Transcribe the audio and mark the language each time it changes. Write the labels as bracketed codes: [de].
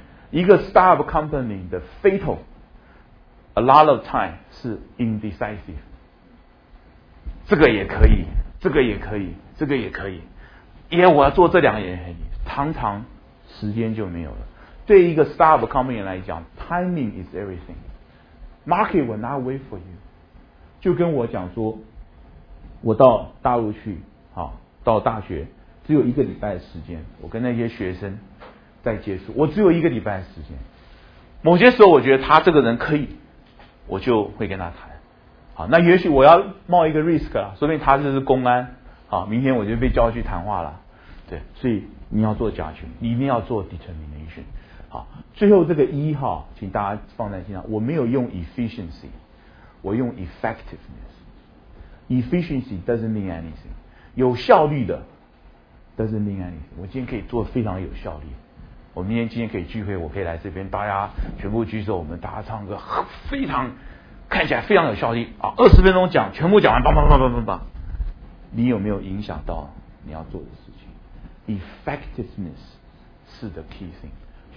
[zh] 一个 startup company 的 [en] fatal a lot of time [zh] 是 indecisive， 这个也可以，这个也可以，这个也可以，因为我要做这两样，常常时间就没有了。对一个 [en] startup company [zh] 来讲， [en] timing is everything， market will not wait for you。 [zh] 就跟我讲说，我到大陆去，好，到大学只有一个礼拜的时间，我跟那些学生在接触，我只有一个礼拜的时间，某些时候我觉得他这个人可以，我就会跟他谈。好，那也许我要冒一个 risk 了，说不定他这是公安，好，明天我就被叫去谈话了。对，所以你要做假群，你一定要做 determination。好，最后这个一号请大家放在心上，我没有用 efficiency， 我用 effectiveness。 [en] efficiency doesn't mean anything， [zh] 有效率的 [en] doesn't mean anything。 [zh] 我今天可以做非常有效率，我明天今天可以聚会，我可以来这边大家全部举手，我们大家唱歌，非常看起来非常有效率啊，20分钟讲全部讲完，棒棒棒棒棒棒。你有没有影响到你要做的事？ [en] Effectiveness 是 the key thing。